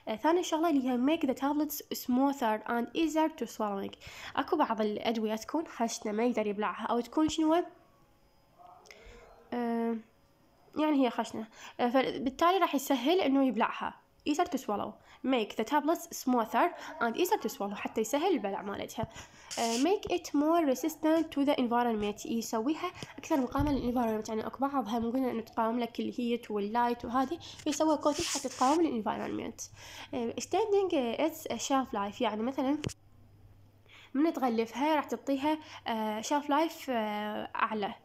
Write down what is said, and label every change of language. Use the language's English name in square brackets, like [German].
[Arabic] ثاني شغله اللي هي [English] make the tablets smoother and easier to swallowing, [Arabic] اكو بعض الادويه تكون خشنه ما يقدر يبلعها او تكون شنو يعني هي خشنة، فبالتالي راح يسهل انه يبلعها [English] easier to swallow. Make the tablets smoother and easier to swallow. [Arabic] حتى يسهل البلع مالتها. [English] Make it more resistant to the environment. [Arabic] يسويها أكثر مقاومة للإنفايرمنت. يعني أكو بعضها ممكن أن تقاوم لك الهيت واللايت وهذه. يسوي كوتينج حتى تقاوم للإنفايرمنت. [English] Extending its shelf life. [Arabic] يعني مثلا من تغلفها راح تعطيها shelf life أعلى.